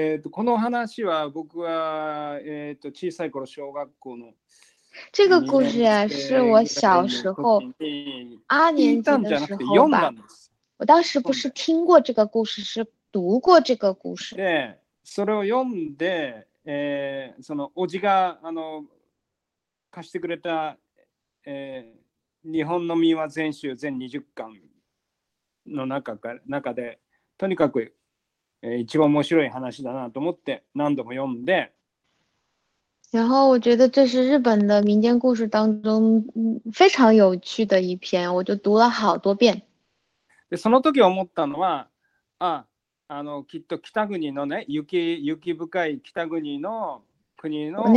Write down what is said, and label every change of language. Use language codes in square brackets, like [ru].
[ja] この話は僕は、小さい頃小学校の [zh] 这个故事啊，是我小时候二年级的时候吧。我当时不是听过这个故事，是读过这个故事。 [ja] 对，それを読んで、そのおじが貸してくれた、日本の民話全集全20巻の中で、とにかく、一番面白い話だなと思って何度も読んで。 [zh] 然后我觉得这是日本的民间故事当中非常有趣的一篇，我就读了好多遍。 [ja] でその時思ったのは、きっと北国のね、雪深い北国の国の子供た